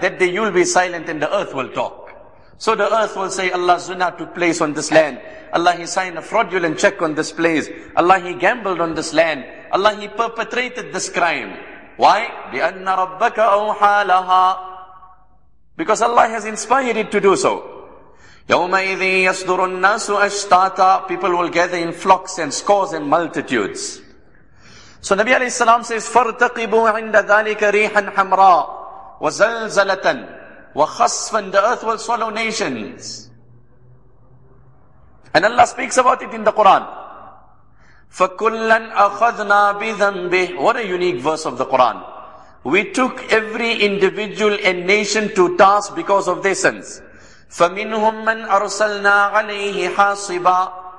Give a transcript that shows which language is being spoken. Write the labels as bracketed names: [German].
[English] That day you'll be silent and the earth will talk. So the earth will say, Allah's zina took place on this land. Allah, he signed a fraudulent check on this place. Allah, he gambled on this land. Allah, he perpetrated this crime. Why? [Arabic] بِأَنَّ رَبَّكَ أَوْحَى لَهَا. [English] Because Allah has inspired it to do so. [Arabic] يَوْمَئِذِي يَصْدُرُ النَّاسُ أَشْتَاتًا. [English] People will gather in flocks and scores and multitudes. So Nabi alayhi salam says, [Arabic] فَارْتَقِبُوا عِنْدَ ذَلِكَ رِيحًا حَمْرَى وَزَلْزَلَةً وَخَصْفًا. [English] The earth will swallow nations. And Allah speaks about it in the Quran. [Arabic] فَكُلًّا أَخَذْنَا بِذَنْبِهِ. [English] What a unique verse of the Quran. We took every individual and nation to task because of their sins. [Arabic] فَمِنْهُمْ مَنْ أَرْسَلْنَا عَلَيْهِ حَاصِبًا.